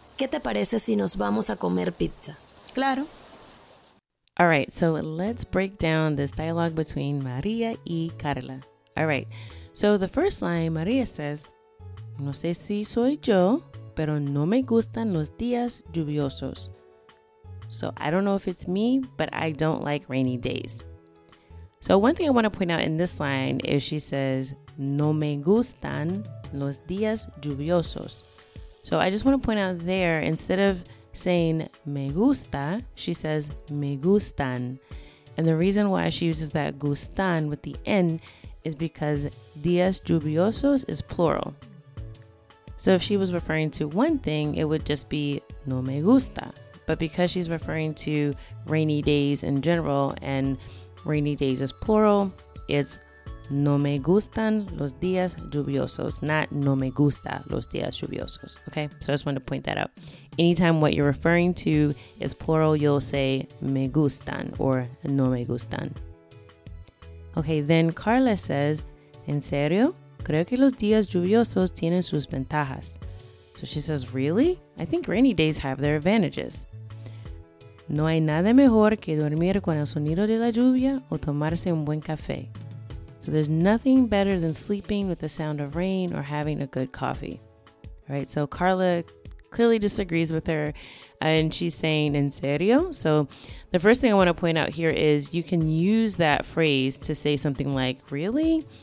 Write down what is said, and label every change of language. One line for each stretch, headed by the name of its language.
Spanish: ¿Qué te parece si nos vamos a comer pizza? Claro.
English: All right, so let's break down this dialogue between María y Carla. All right, so the first line, María says,
Spanish: no sé si soy yo, pero no me gustan los días lluviosos.
English: So I don't know if it's me, but I don't like rainy days. So one thing I want to point out in this line is she says,
Spanish: no me gustan los días lluviosos.
English: So I just want to point out there, instead of saying
Spanish: me gusta,
English: she says
Spanish: me gustan.
English: And the reason why she uses that gustan with the N is because
Spanish: días lluviosos
English: is plural. So if she was referring to one thing, it would just be
Spanish: no me gusta.
English: But because she's referring to rainy days in general and rainy days is plural, it's
Spanish: no me gustan los días lluviosos,
English: not
Spanish: no me gusta los días lluviosos,
English: okay? So I just wanted to point that out. Anytime what you're referring to is plural, you'll say
Spanish: me gustan
English: or
Spanish: no me gustan.
English: Okay, then Carla says,
Spanish: ¿en serio? Creo que los días lluviosos tienen sus ventajas.
English: So she says, really? I think rainy days have their advantages.
Spanish: No hay nada mejor que dormir con el sonido de la lluvia o tomarse un buen café.
English: So there's nothing better than sleeping with the sound of rain or having a good coffee. All right, so Carla clearly disagrees with her and she's saying,
Spanish: en serio?
English: So the first thing I want to point out here is you can use that phrase to say something like, really?